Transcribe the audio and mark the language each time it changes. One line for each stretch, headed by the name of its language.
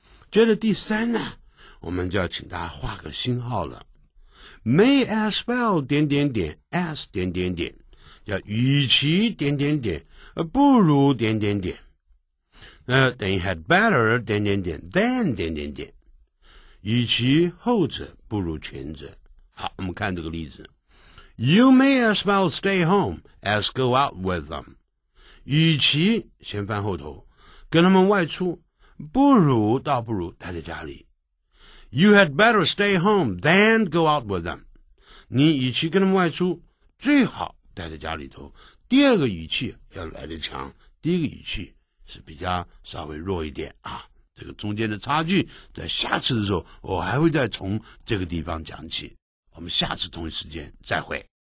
Chinese: 接着第三呢。我们就要请大家画个星号了 ，may as well 点点点 ，as 点点点，叫与其点点点，不如点点点，等于 had better 点点点 ，than 点点点，与其后者不如前者。好，我们看这个例子
English: ，You may as well stay home as go out with them。
Chinese: 与其先翻后头，跟他们外出，不如倒不如待在家里。
English: You had better stay home than go out with them.
Chinese: 你与其跟他们外出，最好待在家里头。第二个语气要来得强，第一个语气是比较稍微弱一点啊。这个中间的差距，在下次的时候，我还会再从这个地方讲起。我们下次同一时间再会。